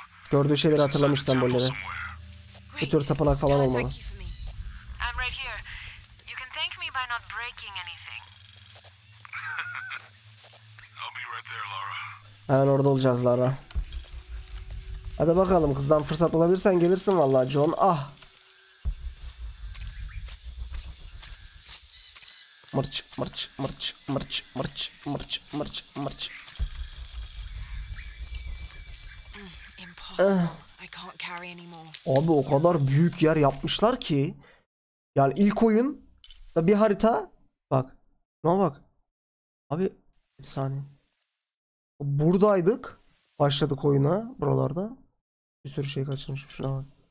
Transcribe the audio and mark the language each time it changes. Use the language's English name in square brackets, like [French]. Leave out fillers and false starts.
[Turkish] Gördüğü şeyleri hatırlamış sembolleri. Bu tür tapınak falan olmalı. [English] I'm right here. You can thank me by not breaking anything. I'll be right there, Lara. [Turkish] Hemen orada olacağız Lara. Hadi bakalım kızdan fırsat bulabilirsen gelirsin vallahi John. Ah. Mırç mırç mırç mırç mırç mırç mırç mırç. [English] Impossible. I can't carry anymore. [Turkish] Abi o kadar büyük yer yapmışlar ki. Yani ilk oyun da bir harita. Bak. Ne bak. Abi bir saniye. Buradaydık. Başladık oyuna buralarda. Bir sürü şey kaçırmış. Şuna bak.